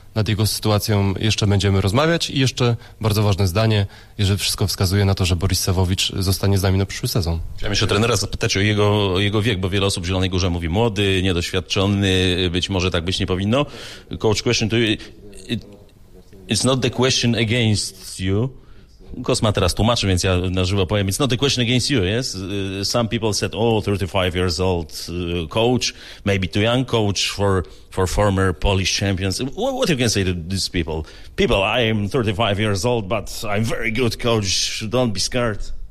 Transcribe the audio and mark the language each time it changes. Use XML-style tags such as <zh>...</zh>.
<pl>Nad jego sytuacją jeszcze będziemy rozmawiać i jeszcze bardzo ważne zdanie, jeżeli wszystko wskazuje na to, że Boris Sawowicz zostanie z nami na przyszły sezon. Chciałem jeszcze trenera zapytać o jego wiek, bo wiele osób w Zielonej Górze mówi młody, niedoświadczony, być może tak być nie powinno.</pl> <en>Coach, question to you. It's not the question against you.</en> <pl>Kosma teraz tłumaczy, więc ja na żywo powiem.</pl> <en>It's not a question against you, yes? Some people said, oh, 35 years old coach, maybe too young coach for former Polish champions. What you can say to these people? People, I am 35 years old, but I'm very good coach. Don't be scared.</en>